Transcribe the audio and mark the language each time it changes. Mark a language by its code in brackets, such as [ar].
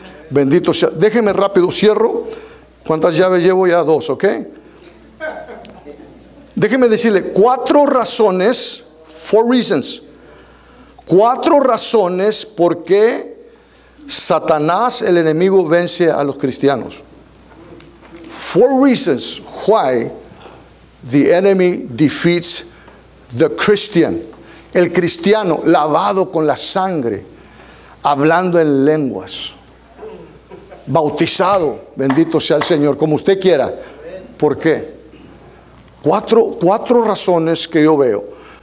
[es] Bendito sea. Déjeme rápido, cierro. ¿Cuántas llaves llevo ya? Dos, ¿ok? Déjeme decirle, cuatro razones, [en] four reasons. [es] Cuatro razones por qué Satanás, el enemigo, vence a los cristianos. [en] Four reasons why the enemy defeats the Christian. [es] El cristiano lavado con la sangre, hablando en lenguas, bautizado, bendito sea el Señor, como usted quiera. ¿Por qué? Cuatro razones que yo veo.